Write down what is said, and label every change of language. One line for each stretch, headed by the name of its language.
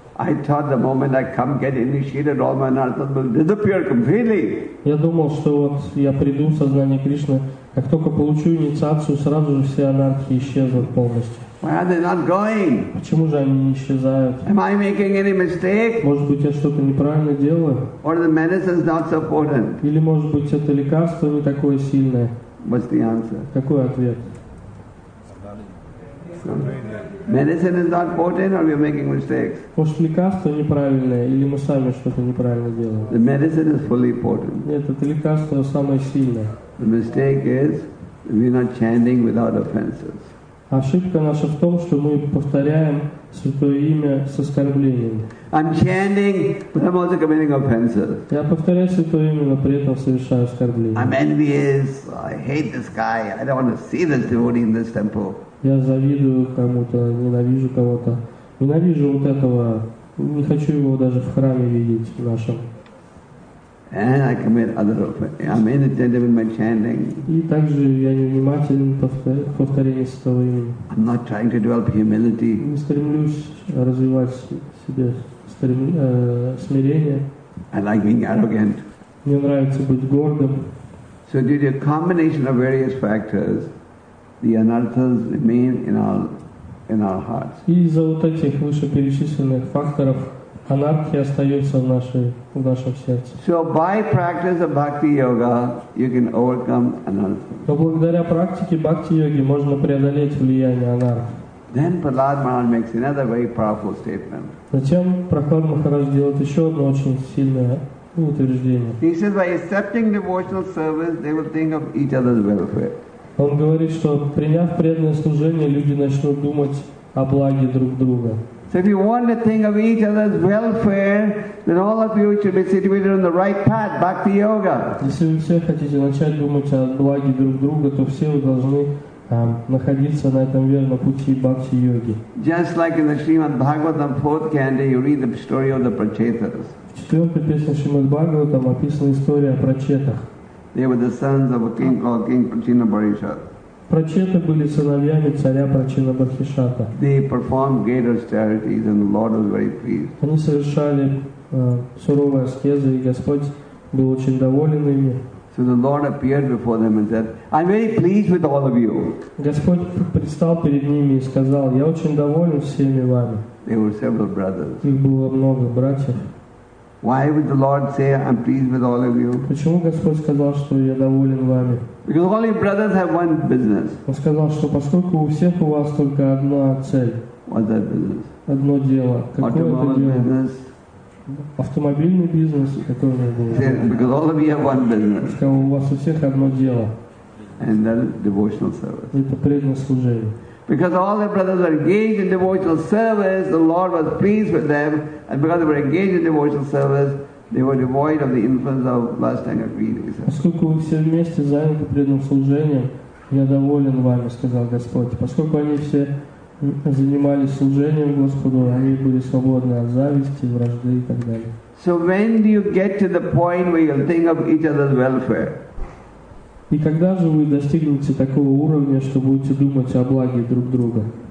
English: I thought the moment I come get initiated, all my anarthas will disappear completely.
Russian: Я думал, что вот я приду в сознание Кришны, как только получу инициацию, сразу же все анархи исчезнут полностью.
English: Why are they not going?
Russian: Почему же они не исчезают?
English: Am I making any mistake?
Russian: Может быть, я что-то неправильно делаю?
English: Or the medicine is not so potent?
Russian: Или, может быть, это лекарство не такое сильное?
English: What's the answer?
Russian: Какой ответ?
English: Medicine is not potent, or we are making mistakes?
Russian: Может, лекарство неправильное, или мы сами что-то неправильно делаем?
English: The medicine is fully potent.
Russian: Нет, это лекарство самое сильное.
English: The mistake is We're not chanting without offenses.
Russian: Ошибка наша в том, что мы повторяем Святое Имя с оскорблением.
English: I'm chanting, but I'm also committing offenses.
Russian: Я повторяю Святое Имя, но при этом совершаю оскорбление.
English: I'm envious, I hate this guy, I don't want to see this devotee in this temple.
Russian: Я завидую кому-то, ненавижу кого-то. Ненавижу вот этого, не хочу его даже в храме видеть в нашем.
English: And I commit other offenses. I'm inattentive in my chanting.
Russian: И также я невнимателен в повторении Святого Имени.
English: I'm not trying to develop humility.
Russian: Не стремлюсь развивать себе смирение.
English: I like being arrogant.
Russian: Мне нравится быть гордым.
English: So due to a combination of various factors, the anarthas remain in our hearts.
Russian: И из-за вот этих вышеперечисленных факторов анархия остается в нашем сердце.
English: So by practice of bhakti yoga, you can overcome anartha.
Russian: Но благодаря практике бхакти йоги можно преодолеть влияние анарх.
English: Then Prahlad Maharaj makes another very powerful statement.
Russian: Затем Прохлад Махарадж делает еще одно очень сильное утверждение.
English: He says by accepting devotional service, they will think of each other's welfare.
Russian: Он говорит, что приняв преданное служение, люди начнут думать о благе друг друга.
English: So if you want to think of each other's welfare, then all of you should be situated on the right path, bhakti yoga.
Russian: Если вы все хотите начать думать о благе друг друга, то все вы должны находиться на этом верном пути бхакти йоги.
English: Just like in the Srimad Bhagavatam 4th canto, you read the story of the Prachetas.
Russian: В четвертой песне Шримад Бхагаватам описана история о прачетах.
English: They were the sons of a king called King Prachinabharishat.
Russian: Прачеты были сыновьями царя Прачинабхаришата.
English: They performed great austerities, and the Lord was very pleased.
Russian: Они совершали суровые аскезы, и Господь был очень доволен ими.
English: So the Lord appeared before them and said, "I'm very pleased with all of you."
Russian: Господь предстал перед ними и сказал: "Я очень доволен всеми вами."
English: There were several brothers.
Russian: Их было много братьев.
English: Why would the Lord say, "I'm pleased with all of you"?
Russian: Почему Господь сказал, что я доволен вами?
English: Because all your brothers have one business.
Russian: Он сказал, что поскольку у всех у вас только одна цель.
English: What's that business?
Russian: Одно дело. Какое это дело?
English: Business.
Russian: Автомобильный бизнес, который у меня был.
English: Said, because all of you have one business.
Russian: Он сказал, у вас у всех одно дело.
English: And that is devotional service.
Russian: Это преданное служение.
English: Because all their brothers were engaged in devotional service, the Lord was pleased with them, and because they were engaged in devotional service, they were devoid of the influence of lust and greed.
Russian: Поскольку вы все вместе заняты преданным служением, я доволен вами, сказал Господь. Поскольку они все занимались служением Господу, они были свободны от зависти, вражды и так далее.
English: So when do you get to the point where you think of each other's welfare?
Russian: И когда же вы достигнете такого уровня, что будете думать о благе друг друга?